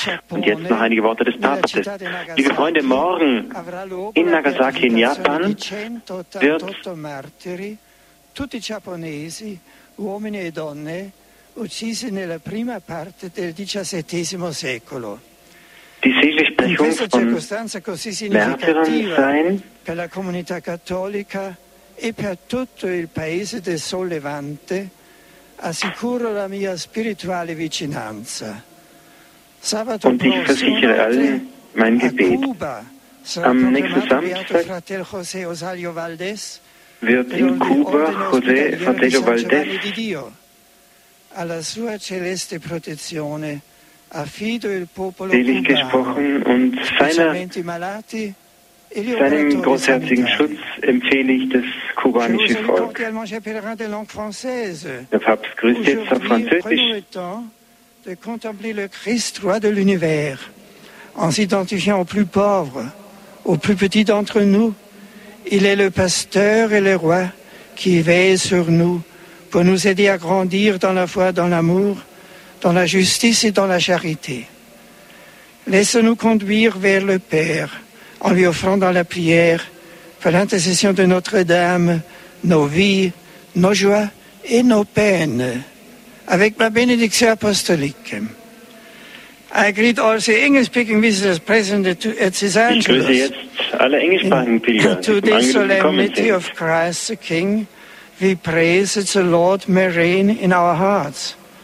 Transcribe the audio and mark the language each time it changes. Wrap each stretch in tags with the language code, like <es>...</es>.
<de>Und jetzt noch einige Worte des Papstes. Liebe Freunde, morgen in Nagasaki in Japan wird die Seligsprechung von Märtyrern sein.</de> <it>Per la comunità cattolica e per tutto il paese del Sollevante assicuro la mia spirituale vicinanza.</it> <de>Sabato und ich versichere allen mein Gebet. Am nächsten Samstag wird in Kuba José Fratello Valdés</de> <it>alla sua celeste protezione affido il popolo</it> <de>selig gesprochen und seinem großherzigen Schutz empfehle ich das kubanische Volk. Der Papst grüßt jetzt auf Französisch.</de> <fr>De contempler le Christ, roi de l'univers, en s'identifiant au plus pauvre, au plus petit d'entre nous, il est le pasteur et le roi qui veille sur nous pour nous aider à grandir dans la foi, dans l'amour, dans la justice et dans la charité. Laisse-nous conduire vers le Père en lui offrant dans la prière, par l'intercession de Notre-Dame, nos vies, nos joies et nos peines, avec ma bénédiction apostolique.</fr> <en>I greet all the English-speaking visitors present at this Angelus. To this solemnity of Christ the King, we praise the Lord may reign in our hearts.</en>